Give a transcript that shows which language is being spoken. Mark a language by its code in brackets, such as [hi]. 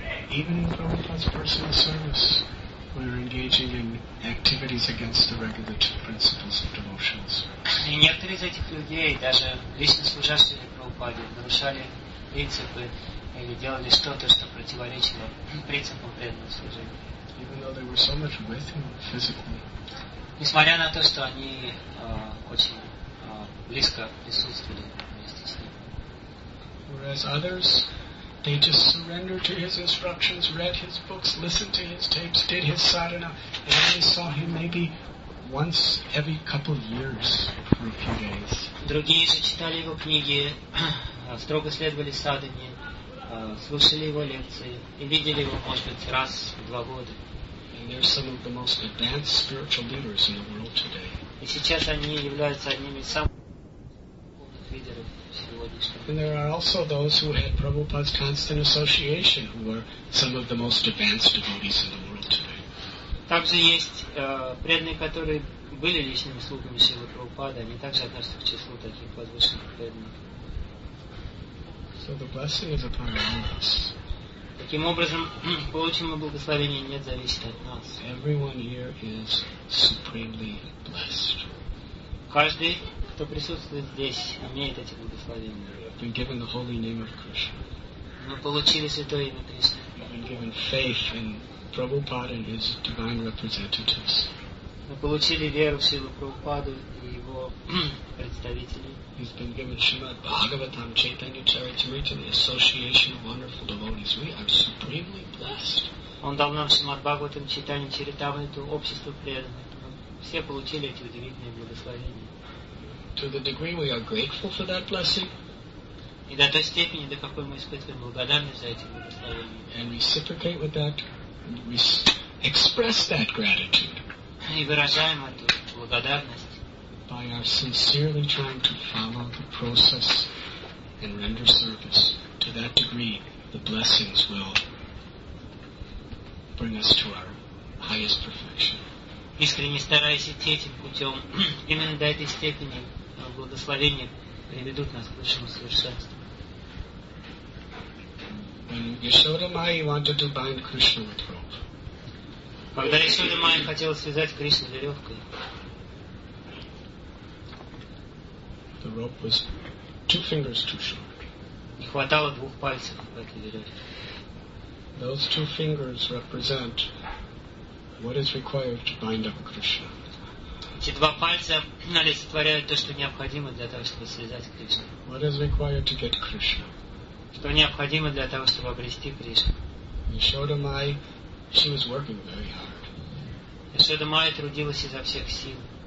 [ru] И некоторые из этих людей, даже лично служащие Прабхупаде, нарушали принципы или делали что-то, что противоречило принципам преданного служения. [en] Even though they were so much with him physically. [ru] Несмотря на то, что они очень близко присутствовали вместе с ним. [en] Whereas others, they just surrendered to his instructions, read his books, listened to his tapes, did his sadhana, and only saw him maybe once every couple of years for a few days. [ru] Другие же читали его книги, строго следовали садхане, слушали его лекции и видели его, может быть, раз в два года. [en] And they're some of the most advanced spiritual leaders in the world today. [ru] И сейчас они являются одними из самых умных лидеров сегодняшнего. [en] And there are also those who had Prabhupada's constant association, who were some of the most advanced devotees in the world today. [ru] Также есть преданные, которые были личными слугами Шрилы Прабхупады. Они также относятся к числу таких возвышенных преданных. [en] So the blessing is upon all of us. [ru] Таким образом, получим мы благословение, нет, зависит от нас. [en] Everyone here is supremely blessed. [ru] Каждый, кто присутствует здесь, имеет эти благословения. [en] We've been given the holy name of Krishna. [ru] Мы получили святое имя Кришны. [en] We've been given faith in Prabhupada and his divine representatives. [ru] Мы получили веру в Шрилу Прабхупаду и его представителей. [en] He's been given Srimad Bhagavatam, Chaitanya Charitamrita, the association of wonderful devotees. We are supremely blessed. [ru] Он дал нам Шримад Бхагаватам, Чайтанья Чаритамриту, общество преданных. Мы все получили эти удивительные благословения. [en] To the degree we are grateful for that blessing. [ru] И до той степени, до какой мы испытываем благодарность за эти благословения. [en] And reciprocate with that, we express that gratitude. [ru] И выражаем эту благодарность. [en] By our sincerely trying to follow the process and render service, to that degree, the blessings will bring us to our highest perfection. [ru] Искренне стараясь идти этим путем, именно до этой степени благословения приведут нас к высшему совершенству. [en] When Yashoda Mai wanted to bind Krishna with rope, [ru] когда Yashoda Mai хотела связать Кришну веревкой, [en] the rope was two fingers too short. [ru] Не хватало двух пальцев в этой веревке. [en] Those two fingers represent what is required to bind up Krishna. [ru] Эти два пальца олицетворяют то, что необходимо для того, чтобы связать Кришну. [en] What is required to get Krishna? [ru] Что необходимо для того, чтобы обрести Кришну. [en] Yashoda Mai, she was working very hard. [ru] Yashoda Mai трудилась изо всех сил.